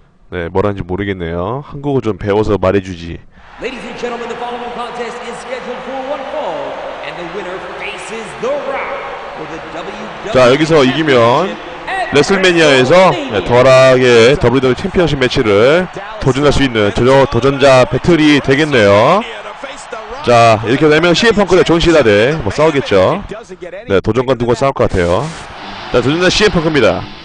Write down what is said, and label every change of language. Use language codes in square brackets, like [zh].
[ko] 네, 뭐라는지 모르겠네요. 한국어 좀 배워서 말해주지. [en] Ladies and gentlemen, the following contest is scheduled for one fall, and the winner faces The Rock for the WWE. [ko] 자, 여기서 이기면 레슬매니아에서 더락의 WWE 챔피언십 매치를 도전할 수 있는 도전자 배틀이 되겠네요. 자, 이렇게 되면 CM펑크의 존 시나 대 뭐 싸우겠죠. 네, 도전관 두고 싸울 것 같아요. 자, 도전자 CM펑크입니다.